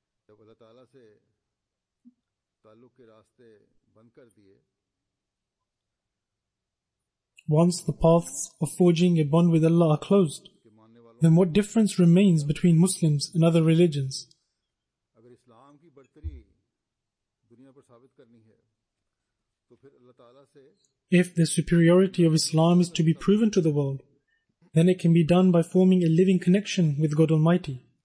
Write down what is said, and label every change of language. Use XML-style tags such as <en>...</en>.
<ur>Allah تعلق کے راستے بند کر دیے.</ur> <en>Once the paths of forging a bond with Allah are closed, then what difference remains between Muslims and other religions?</en> <ur>اگر اسلام کی برتری دنیا پر ثابت کرنی ہے تو پھر اللہ تعالی سے.</ur> <en>If the superiority of Islam is to be proven to the world, then it can be done by forming a living connection with God Almighty.</en>